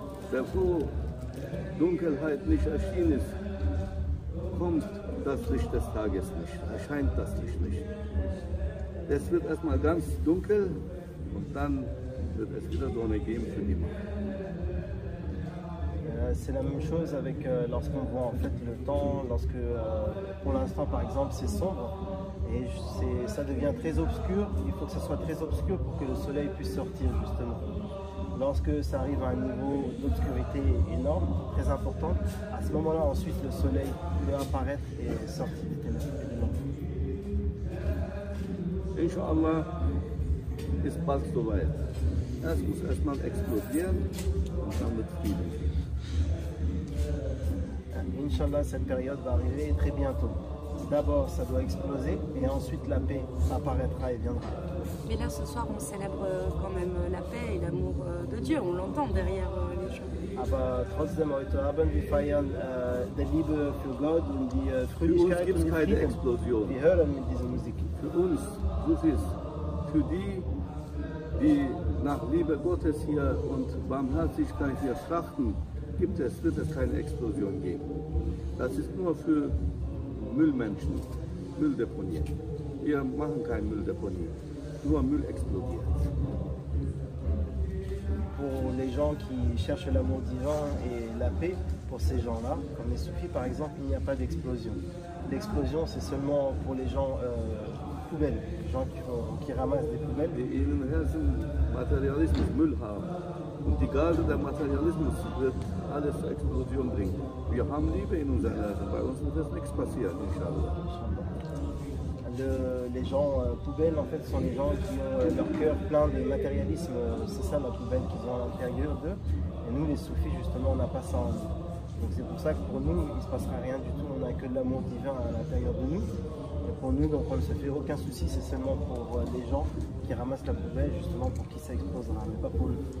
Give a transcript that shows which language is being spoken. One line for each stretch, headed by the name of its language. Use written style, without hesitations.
German: Bevor Dunkelheit nicht erschienen ist, kommt das Licht des Tages nicht, erscheint das Licht nicht. Es wird erstmal ganz dunkel und dann wird es wieder Sonne geben für die Macht.
French: C'est la même chose avec lorsqu'on voit en fait le temps, lorsque pour l'instant par exemple c'est sombre et ça devient très obscur, il faut que ça soit très obscur pour que le soleil puisse sortir justement. Lorsque ça arrive à un niveau d'obscurité énorme, très important, à ce moment-là ensuite le soleil peut apparaître et sortir des ténèbres.
German: Inch'Allah, ist bald soweit. Es muss erstmal explodieren und dann wird viel.
French: Inch'Allah, cette période va arriver très bientôt. D'abord, ça doit exploser et ensuite la paix apparaîtra et viendra. Mais là, ce soir, on célèbre quand même la paix et l'amour de Dieu. On l'entend derrière les gens.
German: Aber trotzdem heute Abend, wir feiern die Liebe für Gott und die Fröhlichkeit. Für uns gibt es keine Explosion. Wir hören mit dieser Musik. Für uns, so ist für die, die nach Liebe Gottes hier und Barmherzigkeit hier trachten, gibt es, wird es keine Explosion geben. Das ist nur für Müllmenschen, Mülldeponien. Wir machen kein Mülldeponien. Nur Müll explodiert.
French: Pour les gens qui cherchent l'amour divin et la paix, pour ces gens-là, comme les soufis par exemple, il n'y a pas d'explosion. L'explosion, c'est seulement pour les gens poubelles, les gens qui ramassent des poubelles. Et ils ont un matérialisme,
German: Müll haben. Und die Gase des Materialismus wird alles zur Explosion bringen. Wir haben Liebe in unserem Herzen, bei uns wird das nichts passieren, inshallah.
French: Les gens poubelles, en fait, sont les gens qui ont leur cœur plein de matérialisme. C'est ça la poubelle qu'ils ont à l'intérieur d'eux. Et nous, les soufis, justement, on n'a pas ça en nous. Donc c'est pour ça que pour nous, il ne se passera rien du tout. On n'a que de l'amour divin à l'intérieur de nous. Et pour nous, donc, on ne se fait aucun souci. C'est seulement pour les gens qui ramassent la poubelle, justement, pour qu'ils s'exposent, mais pas pour eux.